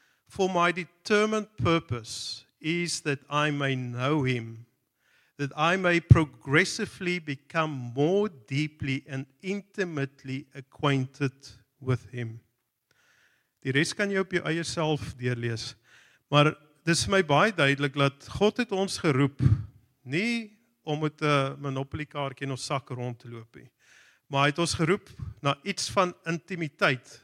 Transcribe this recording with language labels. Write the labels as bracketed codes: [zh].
[en] For my determined purpose is that I may know him, that I may progressively become more deeply and intimately acquainted with him. [af] Die res kan jy op jou eie self deurlees. Maar dis vir my baie duidelik dat God het ons geroep nie om met 'n monopolie kaartjie in ons sak rond te loop nie. Maar hy het ons geroep na iets van intimiteit.